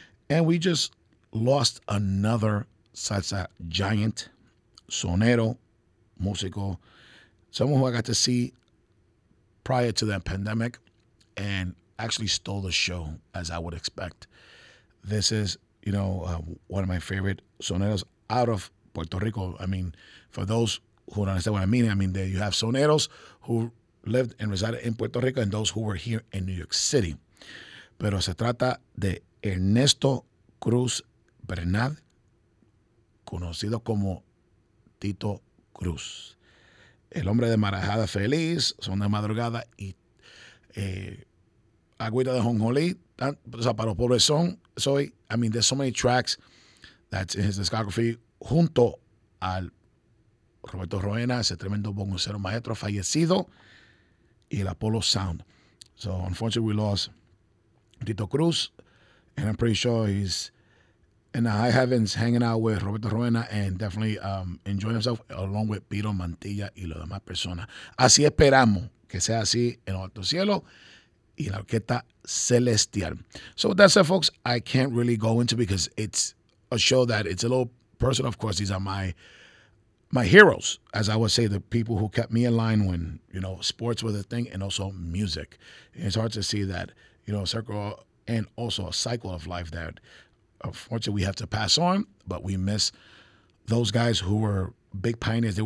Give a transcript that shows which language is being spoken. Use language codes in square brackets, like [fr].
[en] And we just lost another salsa giant, sonero, músico, someone who I got to see prior to the pandemic and actually stole the show, as I would expect. This is, you know, one of my favorite soneros out of Puerto Rico. I mean, for those who don't understand what I mean, there you have soneros who lived and resided in Puerto Rico and those who were here in New York City. [es] Pero se trata de Ernesto Cruz Bernard, conocido como Tito Cruz. El hombre de Marajada Feliz, Son de Madrugada y Agüita de Jonjolí. O sea, para los pobres son, soy, [en] I mean, there's so many tracks that's in his discography [es] junto al Roberto Roena, ese tremendo bongocero maestro fallecido, y el Apollo Sound. [en] So, unfortunately, we lost Tito Cruz, and I'm pretty sure he's in the high heavens, hanging out with Roberto Ruena and definitely enjoying himself along with Piro Mantilla [es] y los demás personas. Así esperamos que sea así en Alto Cielo y la Orquesta Celestial. [en] So with that said, folks, I can't really go into because it's a show that it's a little personal. Of course, these are my heroes, as I would say, the people who kept me in line when, you know, sports were the thing and also music. And it's hard to see that, you know, circle and also a cycle of life that unfortunately we have to pass on, but we miss those guys who were big pioneers.